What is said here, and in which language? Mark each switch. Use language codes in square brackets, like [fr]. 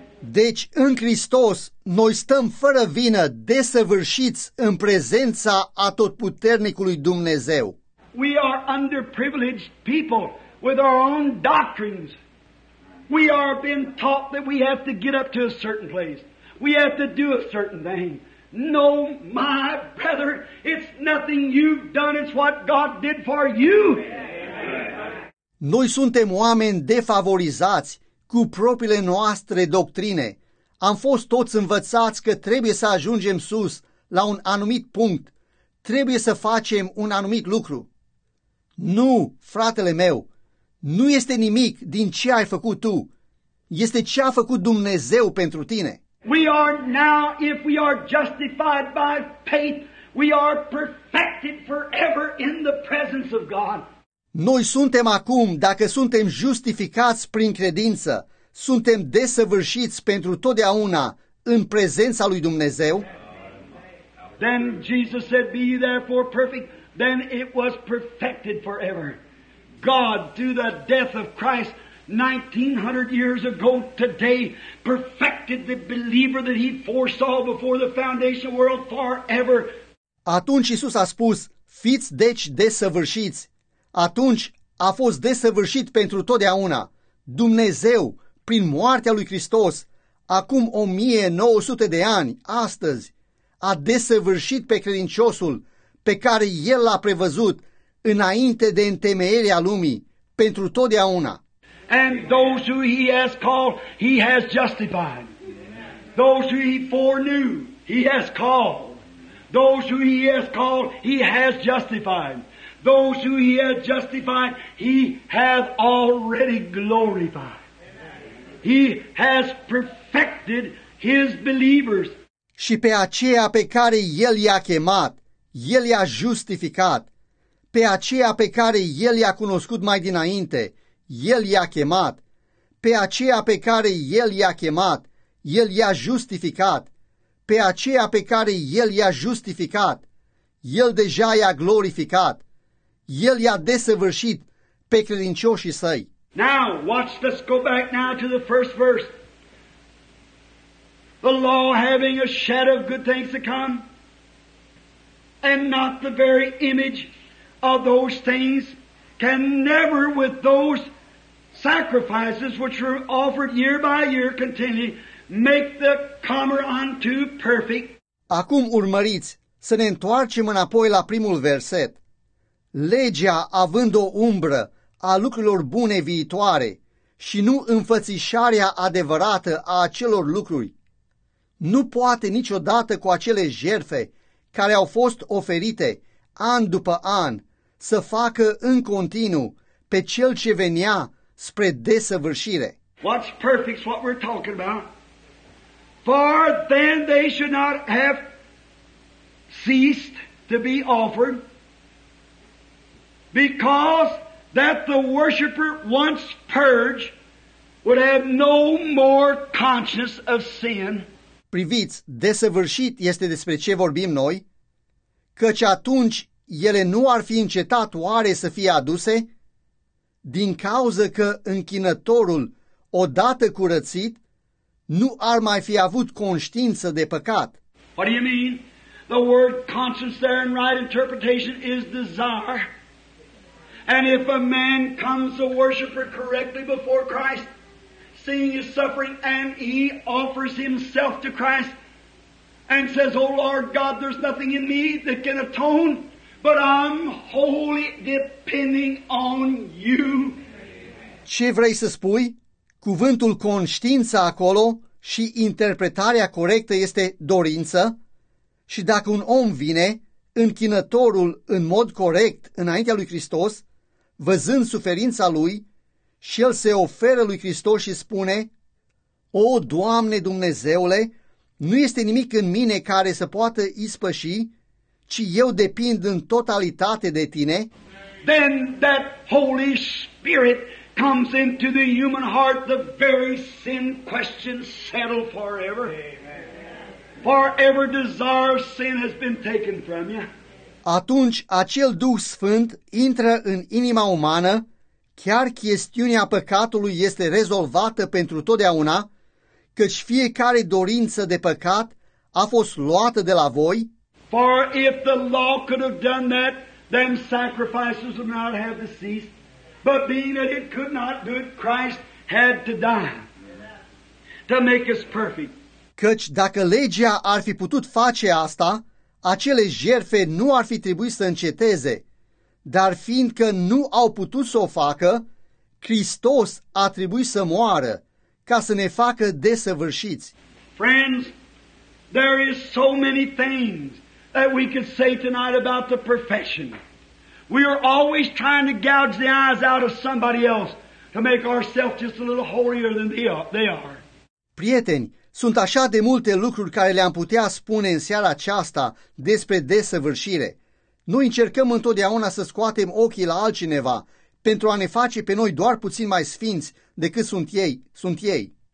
[ro] Deci în Hristos noi stăm fără vină, desăvârșiți în prezența Atotputernicului Dumnezeu. [en] We are underprivileged people with our own doctrines. We are being taught that we have to get up to a certain place. We have to do a certain thing. No, my brother, it's nothing you've done, it's what God did for you. [ro] Noi suntem oameni defavorizați cu propriile noastre doctrine. Am fost toți învățați că trebuie să ajungem sus la un anumit punct. Trebuie să facem un anumit lucru. Nu, fratele meu, nu este nimic din ce ai făcut tu. Este ce a făcut Dumnezeu pentru tine. [en] We are now, if we are justified by faith, we are perfected forever in the presence of God. [ro] Noi suntem acum, dacă suntem justificați prin credință, suntem desăvârșiți pentru totdeauna în prezența lui Dumnezeu. [en] Then Jesus said, be ye therefore perfect. Then it was perfected forever. God, through the death of Christ 1900 years ago today, perfected the believer that he foresaw before the foundation of the world forever. [ro] Atunci Iisus a spus, fiți deci desăvârșiți. Atunci a fost desăvârșit pentru totdeauna. Dumnezeu, prin moartea lui Hristos, acum 1900 de ani, astăzi, a desăvârșit pe credinciosul pe care el l-a prevăzut înainte de întemeierea lumii, pentru totdeauna. [en] And those who he has called, he has justified. Those who he foreknew, he has called. Those who he has called, he has justified. those who he had justified, he hath already glorified. He has perfected his believers. [ro] Și pe aceia pe care el i-a chemat, el i-a justificat. Pe aceia pe care el i-a cunoscut mai dinainte, el i-a chemat. Pe aceia pe care el i-a chemat, el i-a justificat. Pe aceia pe care el i-a justificat, el deja i-a glorificat. El i-a desăvârșit pe credincioșii săi. [en] Now, watch, let's go back now to the first verse. The law having a shadow of good things to come, and not the very image of those things, can never with those sacrifices which were offered year by year continually make the comer unto perfect. [ro] Acum urmăriți să ne întoarcem înapoi la primul verset. Legea, având o umbră a lucrurilor bune viitoare și nu înfățișarea adevărată a acelor lucruri, nu poate niciodată cu acele jertfe care au fost oferite an după an să facă în continuu pe cel ce venea spre desăvârșire. [en] What's perfect is what we're talking about. For then they should not have ceased to be offered, because that the worshiper once purged would have no more conscience of sin. [ro] Priviți, desăvârșit este despre ce vorbim noi, căci atunci ele nu ar fi încetat oare să fie aduse, din cauză că închinătorul, odată curățit, nu ar mai fi avut conștiință de păcat. [en] What do you mean? The word conscience there in right interpretation is desire. And if a man comes a worshiper correctly before Christ, seeing his suffering, and he offers himself to Christ and says, O Lord God, there's nothing in me that can atone, but I'm wholly depending on you. [ro] Ce vrei să spui? Cuvântul conștiință acolo și interpretarea corectă este dorință? Și dacă un om vine, închinătorul în mod corect înaintea lui Hristos, văzând suferința lui, și el se oferă lui Hristos și spune, O, Doamne Dumnezeule, nu este nimic în mine care să poată ispăși, ci eu depind în totalitate de tine. [en] Then that Holy Spirit comes into the human heart, the very sin question settled forever. Forever desire of sin has been taken from you. [ro] Atunci acel Duh Sfânt intră în inima umană, chiar chestiunea păcatului este rezolvată pentru totdeauna, căci fiecare dorință de păcat a fost luată de la voi. [en] For if the law could have done that, then sacrifices would not have ceased. But being that it could not do it, Christ had to die to make us perfect. [ro] Căci dacă legea ar fi putut face asta, acele jertfe nu ar fi trebuit să înceteze. Dar fiindcă nu au putut să o facă, Hristos a trebuit să moară ca să ne facă desăvârșiți. [en] Friends, there is so many things that we could say tonight about the profession. We are always trying to gouge the eyes out of somebody else to make ourselves just a little holier than they are. [ro] Prieteni, sunt așa de multe lucruri care le-am putea spune în seara aceasta despre desăvârșire. Noi încercăm întotdeauna să scoatem ochii la altcineva pentru a ne face pe noi doar puțin mai sfinți decât sunt ei.